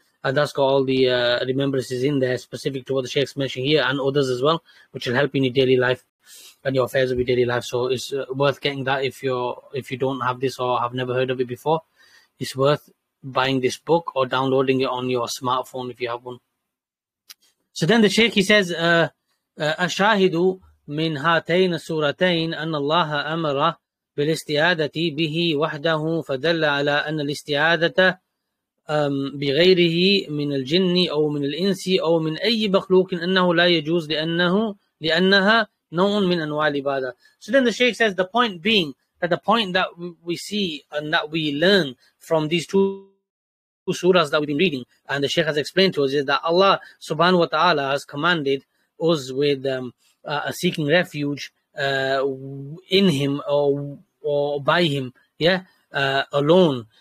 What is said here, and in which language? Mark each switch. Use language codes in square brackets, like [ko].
[en] And that's got all the remembrances in there specific to what the Shaykh's mentioning here and others as well, which will help in your daily life and your affairs of your daily life. So it's worth getting that if you don't have this or have never heard of it before. It's worth buying this book or downloading it on your smartphone if you have one. So then the Shaykh, he says, [ar] أَشَاهِدُ مِنْ هَاتَيْنَ سُورَتَيْنَ أَنَّ اللَّهَ أَمَرَ بِالْاِسْتِعَادَةِ بِهِ وَحْدَهُ فَدَلَّ عَلَىٰ أَنَّ الْاِسْتِعَادَةَ بغيره من الجن أو من الإنس أو من أي مخلوق أنه لا يجوز لأنها نوع من أنواع العبادة. [en] So then the Shaykh says, the point being that the point that we see and that we learn from these two surahs that we've been reading, and the Shaykh has explained to us, is that Allah subhanahu wa ta'ala has commanded us with a seeking refuge in Him or by Him, yeah, alone.